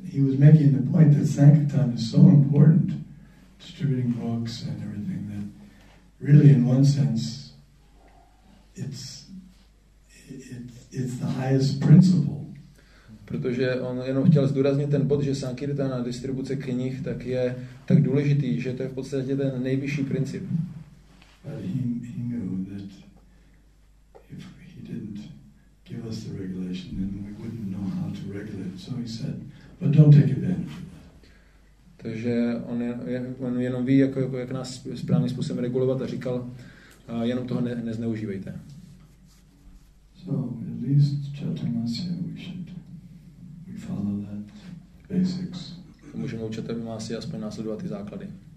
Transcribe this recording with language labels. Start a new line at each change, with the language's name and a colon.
English: He was making the point that Sankirtan is so important, distributing books and everything, that really, in one sense, it's the highest principle.
Czech: Protože on jenom chtěl zdůraznit ten bod, že sankirtana na distribuce knih tak je tak důležitý, že to je v podstatě ten nejvyšší princip.
English: But he knew that if he didn't give us the regulation, then we wouldn't know how to regulate. So he said, but don't take advantage.
Czech: Takže on jenom ví, jak nás správným způsobem regulovat a říkal, jenom toho nezneužívejte.
English: So, at least Chaturmasya, we follow that basics.
Czech: Můžeme u Chaturmasya aspoň následovat ty základy.